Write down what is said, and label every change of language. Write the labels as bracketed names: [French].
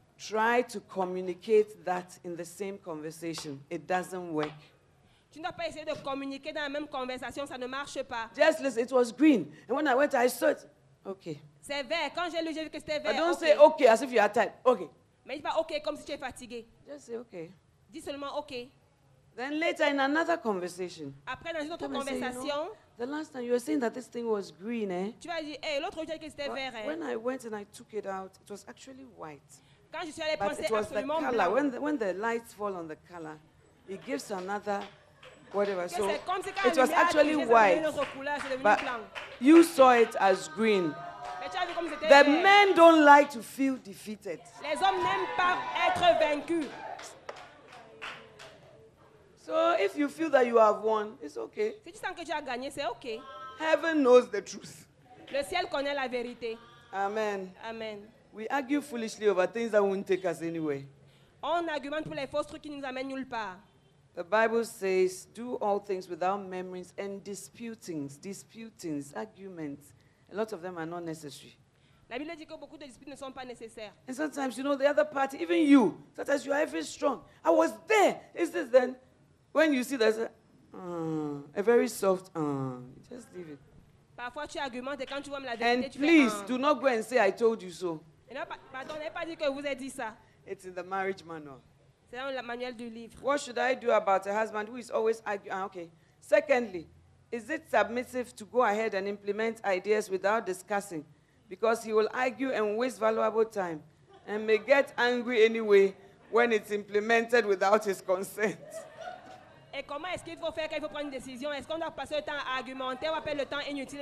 [English] Try to communicate that in the same conversation. It doesn't work. [French] Tu n'as pas essayé de communiquer dans la même conversation, ça ne marche pas. [English] Just listen, it was green. And when I went, I saw it. Okay. [French] C'est vert. Quand j'ai lu, j'ai vu que c'était vert. [English] I don't say okay as if you are tired. Okay. [French] Mais dis pas okay comme si tu es fatigué. [English] Just say okay. [French] Dis seulement okay. [English] Then later in another conversation. [French] Après dans une autre conversation. [English] Say, the last time you were saying that this thing was green, eh? [French] Tu vas dire, l'autre jour que c'était [English] but [French] vert, eh? [English] When I went and I took it out, it was actually white. [French] Quand je suis allée penser, [English] but it was the color. When the lights fall on the color, it gives another whatever. So it was actually white. But you saw it as green. The men don't like to feel defeated. [French] Les hommes n'aiment pas être vaincus. [English] So if you feel that you have won, it's okay. [French] Si tu sens que tu as gagné, c'est okay. [English] Heaven knows the truth. [French] Le ciel connaît la vérité. [English] Amen. [French] Amen. [English] We argue foolishly over things that won't take us anywhere. [French] On argumente pour les fausses trucs qui nous amènent nulle part. [English] The Bible says, do all things without murmurings and disputings, arguments. A lot of them are not necessary. [French] La Bible dit que beaucoup de disputes ne sont pas nécessaires. [English] And sometimes, you know, the other party, even you, sometimes you are very strong. I was there. Is this then? When you see there's a very soft, just leave it. [French] Parfois tu argumentes et quand tu vois la vérité, tu [English] please, [French] fais, [English] do not go and say, I told you so. [French] Pardon, n'ai pas dit que vous avez dit ça. [English] It's in the marriage manual. [French] C'est dans le manuel du livre. [English] What should I do about a husband who is always arguing? Okay. Secondly, is it submissive to go ahead and implement ideas without discussing? Because he will argue and waste valuable time and may get angry anyway when it's implemented without his consent. [French] Et comment est-ce qu'il faut faire quand il faut prendre une décision? Est-ce qu'on doit passer le temps à argumenter ou appeler le temps inutile?